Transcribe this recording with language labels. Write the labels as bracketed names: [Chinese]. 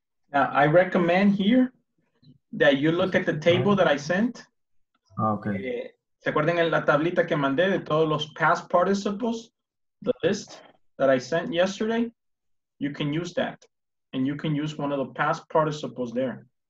[English] Now, I recommend here that you look at the table that I sent. Okay. [Spanish] ¿Se acuerdan en la tablita que mandé de todos los past participles? [English] The list that I sent yesterday? You can use that. And you can use one of the past participles there.